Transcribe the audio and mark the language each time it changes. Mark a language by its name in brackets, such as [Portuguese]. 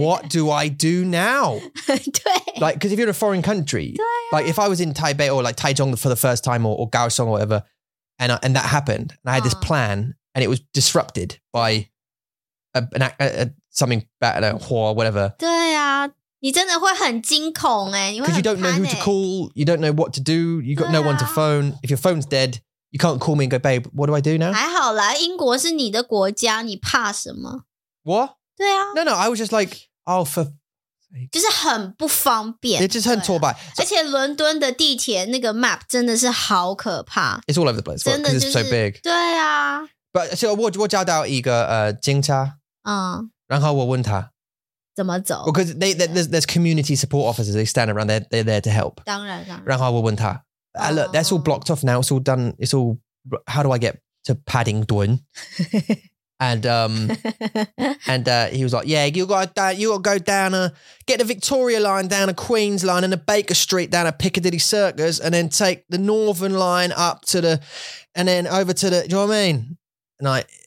[English] What do I do now? [Chinese] 对。 [English] Like, because if you're in a foreign country, [Chinese] 对啊。 [English] Like if I was in Taipei or like Taichung for the first time or Kaohsiung or whatever, and that happened, and I had this plan and it was disrupted by something bad, a whore, whatever. [Chinese] 对啊，你真的会很惊恐欸，你会很怕欸。 [English] You don't know who to call, you don't know what to do, you got no one to phone. If your phone's dead, you can't call me and go, babe, what do I do now? [Chinese] 还好啦，英国是你的国家，你怕什么？ [English] What? [Chinese] 对啊。 [English] No, I was just like, oh, for... [Chinese] 就是很不方便。 [English] It's just [Chinese] 很挫败。而且伦敦的地铁那个 map 真的是好可怕。 [English] It's all over the place, because it's so big. [Chinese] 对啊。 [English] But, so [Chinese] 我叫到一个警察。然后我问他怎么走 [English] because there's community support officers they stand around they're there to help [Chinese] 当然然后我问他 [English] look that's all blocked off now it's all done it's all how do I get to Paddington and he was like yeah you got to go down get the Victoria line down a Queens line and a Baker Street down a Piccadilly Circus and then take the Northern line up to the and then over to the do you know what I mean and I